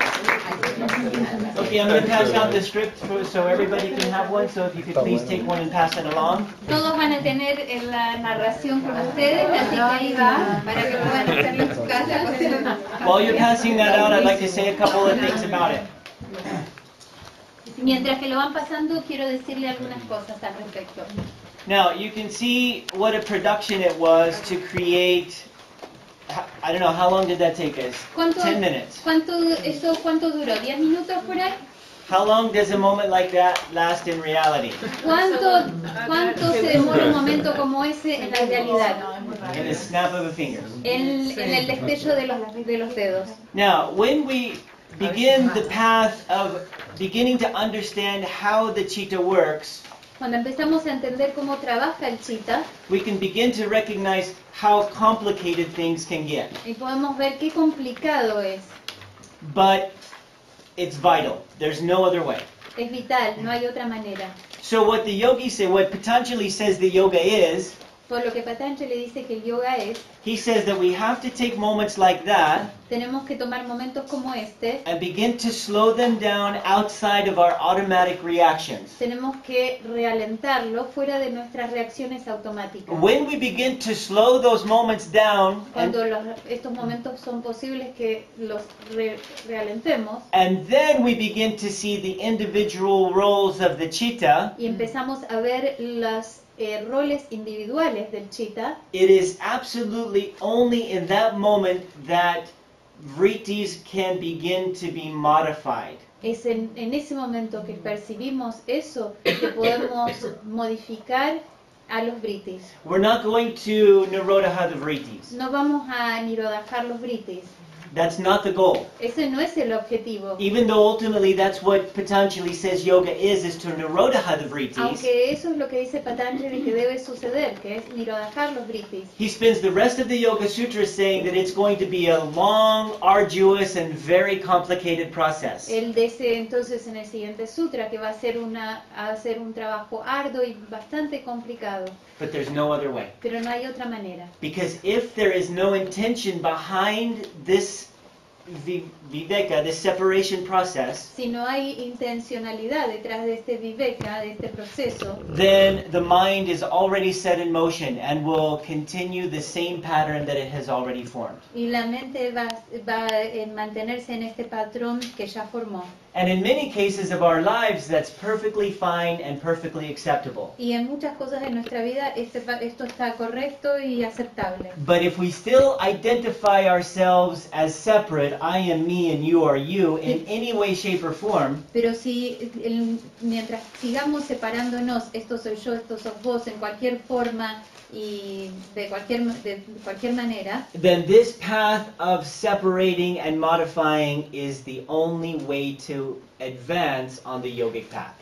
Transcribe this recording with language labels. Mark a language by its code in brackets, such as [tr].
[en] Okay, I'm going to pass out the script so everybody can have one. So if you could please take one and pass it along. [es] Todos van a tener la narración con ustedes, así que ahí va, para que puedan estar en su casa. [en] While you're passing that out, I'd like to say a couple of things about it. [es] Mientras que lo van pasando, quiero decirle algunas cosas al respecto. [en] Now, you can see what a production it was to create I don't know, how long did that take us? 10 minutes. [es] ¿Cuánto duró? 10 minutos por ahí. [en] How long does a moment like that last in reality? [es] ¿Cuánto se demora un momento como ese en la realidad? [en] In a snap of a finger. [es] En el destello de los dedos. [en] Now, when we begin the path of beginning to understand how the chitta works, [es] cuando empezamos a entender cómo trabaja el chitta, [en] we can begin to recognize how complicated things can get. [es] Y podemos ver qué complicado es. [en] But it's vital. There's no other way. [es] Es vital, no hay otra manera. [en] So what the yogi says, what Patanjali says the yoga is, [es] por lo que Patanjali dice que el yoga es, [en] he says that we have to take moments like that, [es] tenemos que tomar momentos como este, [en] and begin to slow them down outside of our automatic reactions. [es] Tenemos que ralentarlo fuera de nuestras reacciones automáticas. [en] When we begin to slow those moments down, [es] cuando estos momentos son posibles que los ralentemos, [en] and then we begin to see the individual roles of the chitta, [es] y empezamos a ver las roles individuales del chitta. [en] It is absolutely only in that moment that vrittis can begin to be modified. [es] Es en ese momento que percibimos eso que podemos modificar a los vrittis. [en] We're not going to nirodha the vrittis. [es] No vamos a nirodhar los vrittis. [en] That's not the goal. [es] Ese no es el objetivo. [en] Even though ultimately that's what Patanjali says yoga is to nirodha the vrittis. [es] Aunque eso es lo que dice Patanjali que debe suceder, que es nirodhar los vrittis. [en] He spends the rest of the Yoga Sutra saying that it's going to be a long, arduous, and very complicated process. [es] Él dice entonces en el siguiente sutra que va a ser un trabajo arduo y bastante complicado. [en] But there's no other way. [es] Pero no hay otra manera. [en] Because if there is no intention behind this viveka, this separation process, [es] si no hay intencionalidad detrás de este viveka, de este proceso, [en] then the mind is already set in motion and will continue the same pattern that it has already formed. [es] Y la mente va a mantenerse en este patrón que ya formó. [en] And in many cases of our lives, that's perfectly fine and perfectly acceptable. [es] Y en muchas cosas en nuestra vida, esto está correcto y aceptable. [en] But if we still identify ourselves as separate, I am me and you are you, in any way, shape, or form, [es] pero si, mientras sigamos separándonos, esto soy yo, esto sos vos, en cualquier forma y de cualquier manera, [en] then this path of separating and modifying is the only way to advance on the yogic path.